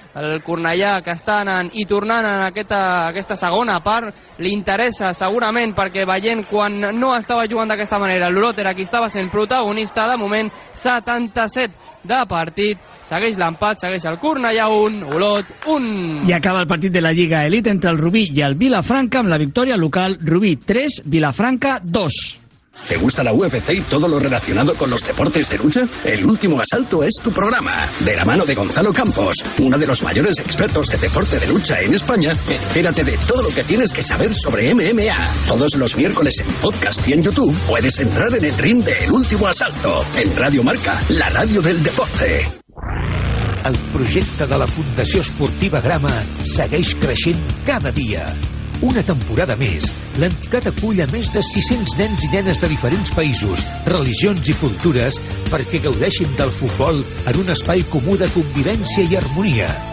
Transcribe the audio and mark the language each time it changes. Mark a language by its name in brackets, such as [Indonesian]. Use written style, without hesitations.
[Catalan] El Cornellà que està anant i tornant en aquesta segona part li interessa segurament, perquè veient quan no estava jugant d'aquesta manera l'Olot era qui estava sent protagonista. De moment 77 de partit, segueix l'empat, segueix el Cornellà 1, Olot 1. I acaba el partit de la Lliga Elite entre el Rubí i el Vilafranca amb la victòria local Rubí 3, Vilafranca 2. [Spanish] ¿Te gusta la UFC y todo lo relacionado con los deportes de lucha? El Último Asalto es tu programa. De la mano de Gonzalo Campos, uno de los mayores expertos de deporte de lucha en España, entérate de todo lo que tienes que saber sobre MMA. Todos los miércoles en podcast y en YouTube puedes entrar en el ring de El Último Asalto en Radio Marca, la radio del deporte. [Catalan] El projecte de la Fundació Esportiva Grama segueix creixent cada dia. Una temporada més, l'entitat acull a més de 600 nens i nenes de diferents països, religions i cultures perquè gaudeixin del futbol en un espai comú de convivència i harmonia.